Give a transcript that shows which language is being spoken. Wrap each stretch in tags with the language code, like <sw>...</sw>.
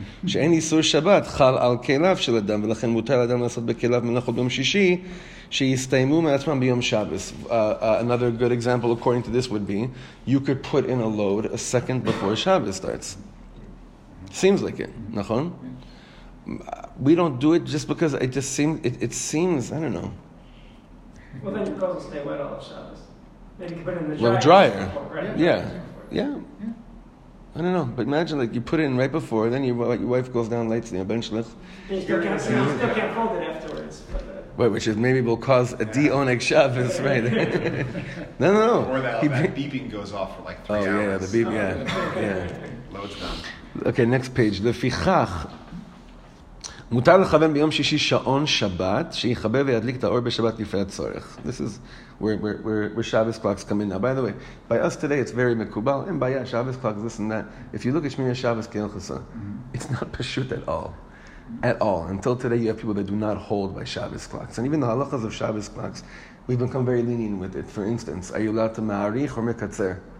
<he>שאין איסור שבת חל על כליו של אדם, ולכן מותר לאדם לעשות בכליו מלאכות ביום שישי, שיסתיימו מעצמם ביום שבת.</he> <en>Another good example, according to this, would be you could put in a load a second before Shabbat starts. Seems like it, נכון? We don't do it just because it just seems, it seems, I don't know. Well, then your clothes will stay wet all Shabbat. Then you can put it in the dryer. Right? Yeah. I don't know, but imagine like you put it in right before, then your wife goes down lights and your bench lift. You still can't fold it afterwards. Wait, which is maybe will cause a de-oneg Shabbos, right? No. Or that beeping goes off for like 3 hours. Oh, yeah, the beep, yeah. Yeah. Loads down. Okay, next page.</en> <he>לפיכך, מותר לכוון ביום שישי שעון שבת, שיחבא וידליק את האור בשבת לפי הצורך.</he> <en>This is... Where Shabbos clocks come in now. By the way, by us today, it's very mekubal. And by Shabbos clocks, this and that. If you look at Shmiras Shabbos Kehilchasa, it's not pashut at all. At all. Until today, you have people that do not hold by Shabbos clocks. And even the halachas of Shabbos clocks, we've become very lenient with it. For instance, are you allowed to ma'arich or mekatzer?</en>